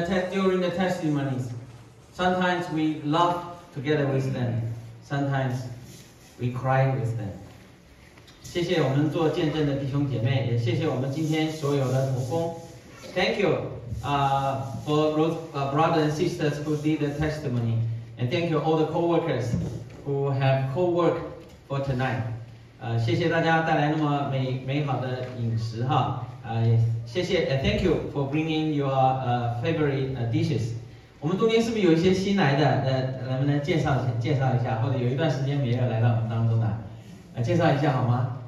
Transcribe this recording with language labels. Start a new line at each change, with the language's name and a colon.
English: During the testimonies, sometimes we laugh together with them, sometimes we cry with them.
Chinese: 谢谢我们做见证的弟兄姐妹，也谢谢我们今天所有的同工。
English: Thank you, for brothers and sisters who did the testimony, and thank you all the co-workers who have co-worked for tonight.
Chinese: 谢谢大家带来那么美好的饮食哈。谢谢
English: ，Thank you for bringing your favorite dishes。
Chinese: 我们中间是不是有一些新来的？能不能介绍一下？或者有一段时间没有来到我们当中的，介绍一下好吗？